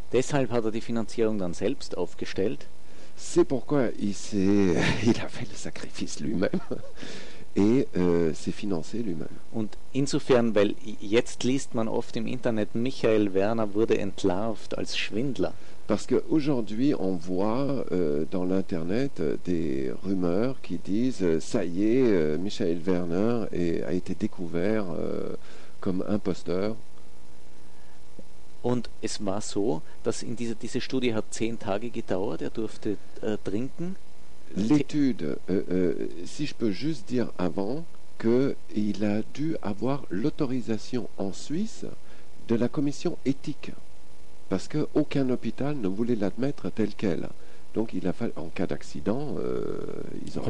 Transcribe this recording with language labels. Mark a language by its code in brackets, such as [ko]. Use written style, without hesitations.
[de] Deshalb hat er die Finanzierung dann selbst aufgestellt. [fr] C'est pourquoi il a fait le sacrifice lui-même et s'est financé lui-même. [de] Und insofern, weil jetzt liest man oft im Internet, Michael Werner wurde entlarvt als Schwindler. [fr] Parce qu'aujourd'hui, on voit dans l'Internet des rumeurs qui disent « ça y est, Michael Werner a été découvert comme imposteur ». [de] Und es war so, dass in diese Studie hat 10 Tage gedauert, durfte trinken. [fr] L'étude, si je peux juste dire avant, qu'il a dû avoir l'autorisation en Suisse de la commission éthique. Parce qu'aucun hôpital ne voulait l'admettre tel quel. Donc, il a fallu, en cas d'accident, ils ont